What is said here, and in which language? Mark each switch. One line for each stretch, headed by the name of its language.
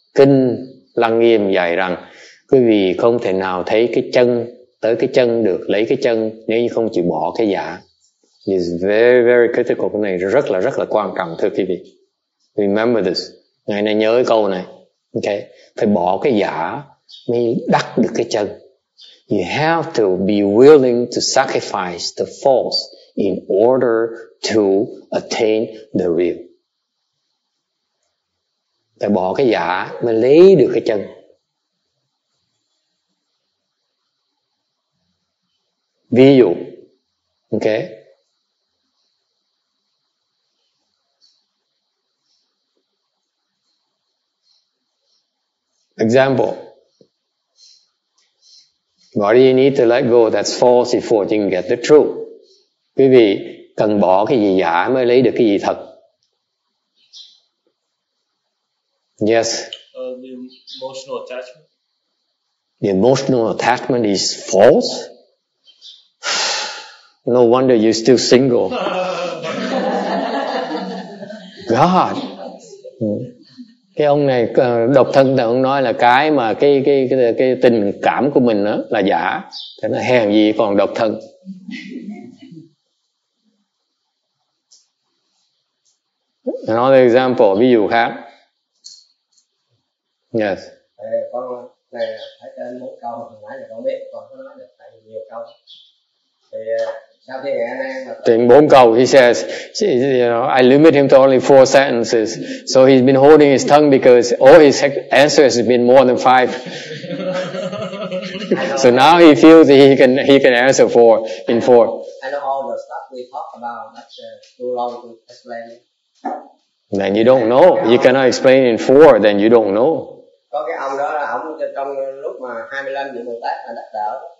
Vietnamese: Kinh Lăng Nghiêm dạy rằng, quý vị không thể nào thấy cái chân, tới cái chân được, lấy cái chân nếu như không chịu bỏ cái giả.
English: Is very very critical.
Vietnamese: Cái này rất là quan trọng thưa quý vị.
English: Remember this.
Vietnamese: Ngày nay nhớ cái câu này. Okay. Phải bỏ cái giả mới đắc được cái chân.
English: You have to be willing to sacrifice the false in order to attain the real.
Vietnamese: Phải bỏ cái giả mới lấy được cái chân. Ví dụ. Okay.
English: Example. What do you need to let go that's false before you can get the true?
Vietnamese: Quý vị cần bỏ cái gì giả mới lấy được cái gì thật?
English: Yes. The emotional attachment. The emotional attachment is false? No wonder you're still single. God.
Vietnamese: Cái ông này độc thân thì ông nói là cái mà cái tình cảm của mình đó là giả, thế nó hèn gì còn độc thân.
English: Another example,
Vietnamese: ví dụ khác.
English: Yes.
Vietnamese: Con này phải trên một câu hồi nãy là con biết, con có nói được tại nhiều câu. Trên bốn câu,
English: he says, you know, I limit him to only four sentences. So he's been holding his tongue because all his answers have been more than five. So now he feels that he can answer four in four. I know all the stuff we talk about, that's too long to explain. Then you don't know. You cannot explain in four, then you don't know.
Vietnamese: Có cái ông đó là ông trong lúc mà 25 vị Bồ Tát mà đắc đạo.